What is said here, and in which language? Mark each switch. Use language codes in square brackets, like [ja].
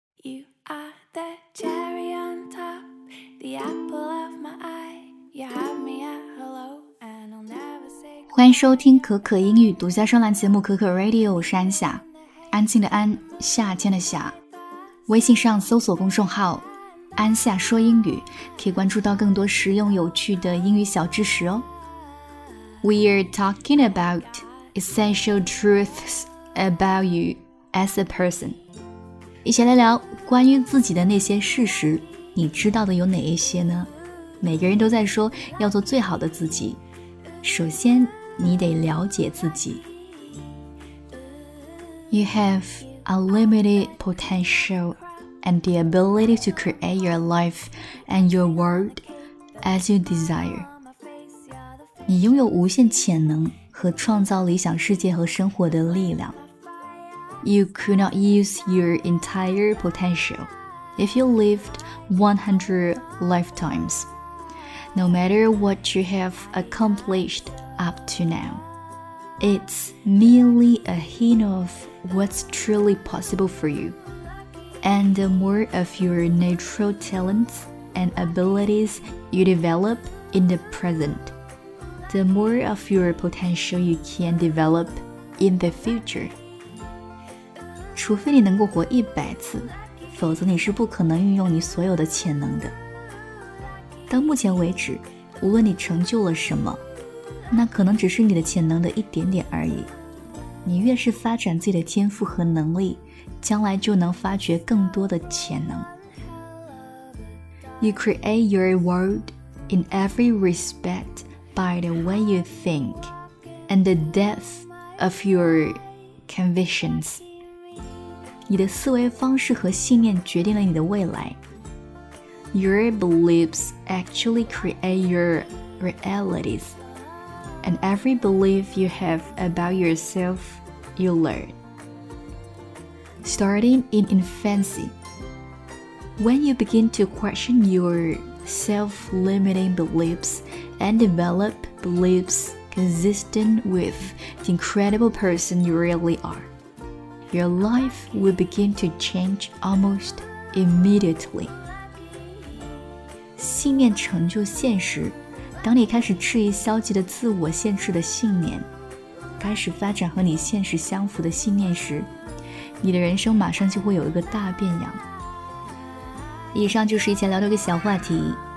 [en] You are the cherry on top, the apple of my eye. You have me at hello, and I'll never say. [zh] 欢迎收听可可英语独家专栏节目《可可 Radio》，我是安夏，安静的安，夏天的夏。微信上搜索公众号“安夏说英语”，可以关注到更多实用有趣的英语小知识哦。 [en] We're talking about essential truths about you as a person. [zh] 一起来聊关于自己的那些事实，你知道的有哪一些呢？每个人都在说要做最好的自己，首先你得了解自己。 [en] You have unlimited potential and the ability to create your life and your world as you desire. [zh] 你拥有无限潜能和创造理想世界和生活的力量。 [en] You could not use your entire potential if you lived 100 lifetimes, no matter what you have accomplished up to now. It's merely a hint of what's truly possible for you, and the more of your natural talents and abilities you develop in the present,The more of your potential you can develop in the future. [zh] 除非你能够活100次，否则你是不可能运用你所有的潜能的。到目前为止，无论你成就了什么，那可能只是你的潜能的一点点而已。你越是发展自己的天赋和能力，将来就能发掘更多的潜能。 [en] You create your world in every respect. By the way you think and the depth of your convictions. [zh] 你的思维方式和信念决定了你的未来。 [en] Your beliefs actually create your realities. And every belief you have about yourself, you learn. Starting in infancy, when you begin to question yourself-limiting beliefs and develop beliefs consistent with the incredible person you really are. Your life will begin to change almost immediately. [zh] 信念成就现实，当你开始质疑消极的自我限制的信念，开始发展和你现实相符的信念时，你的人生马上就会有一个大变样。以上就是以前聊的一个小话题。